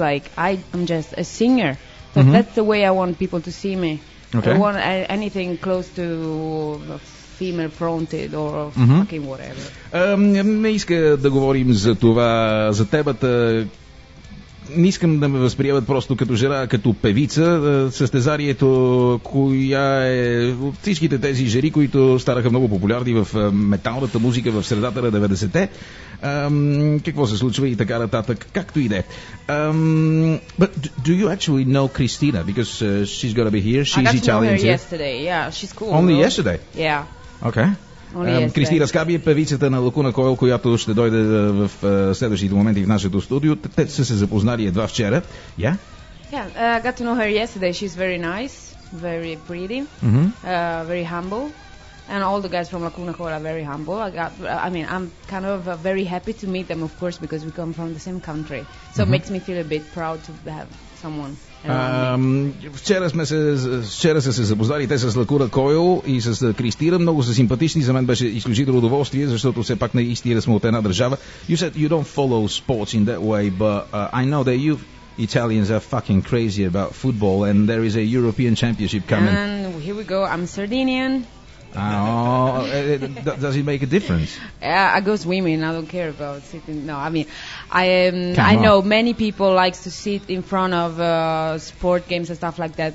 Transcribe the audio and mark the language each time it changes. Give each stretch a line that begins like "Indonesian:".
English: It's like, I'm just a singer. So that's the way I want people to see me. Okay. I want anything close to... female fronted or fucking whatever.
Bulgarian: Не иска да говорим за това, за тебата... Не искам да ме възприемат просто като жена, като певица. Състезанието, коя е всичките тези жери, които станаха много популярни в металната музика в средата на 90-те. Какво се случва и така нататък, както и де.
English: But do you actually know Christina? Because she's gonna be here. She's Italian. I got to know her yesterday. Yeah, she's cool. Only yesterday? Yeah. Okay.
Bulgarian: Кристина Скаби е певицата на Лакуна Койл, която ще дойде в следващите моменти в нашето студио. Те са се запознали едва вчера. Я?
English: Yeah, I got to know her yesterday. She's very nice, very pretty, very humble. And all the guys from Lacuna Coil are very humble. I'm kind of very happy to meet them, of course, because we come from the same country. So it makes me feel a bit proud to have someone around me.
Bulgarian: Вчера са се запознали те с Lacuna Coil и с Кристина. Много са симпатични. За мен беше изключително удоволствие, защото все пак наистина сме от една държава.
English: You said you don't follow sports in that way, but I know that you Italians are fucking crazy about football and there is a European championship coming. And here we go. I'm Sardinian. Does it make a difference? I go swimming. I don't care about sitting. No, I mean, I know many people likes to sit in front of sport games and stuff like that.